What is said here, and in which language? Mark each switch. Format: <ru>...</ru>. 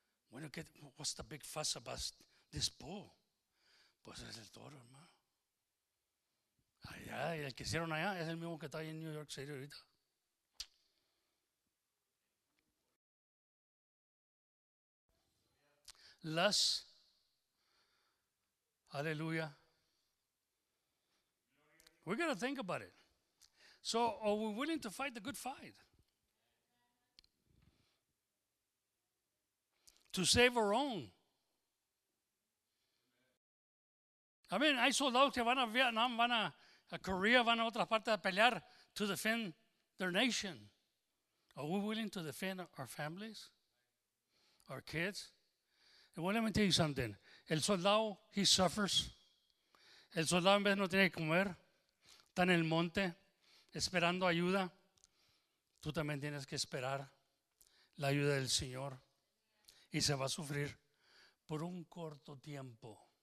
<en>Bueno, what's the big fuss about this bull?</en> <es>Pues es el toro, hermano. Allá, y el que hicieron allá es el mismo que está ahí en New York City ahorita.</es> <en>Lust.</en> <es>Aleluya.</es> <en>We're going to think about it. So, are we willing to fight the good fight? To save our own.</en> <es>I mean, hay soldados que van a Vietnam, van a Korea, van a otras partes a pelear</es> <en>to defend their nation. Are we willing to defend our families? Our kids? And well, let me tell you something.</en> <es>El soldado,</es> <en>he suffers.</en> <es>El soldado en vez no tiene que comer. Está en el monte esperando ayuda. Tú también tienes que esperar la ayuda del Señor. Y se va a sufrir por un corto tiempo.</es>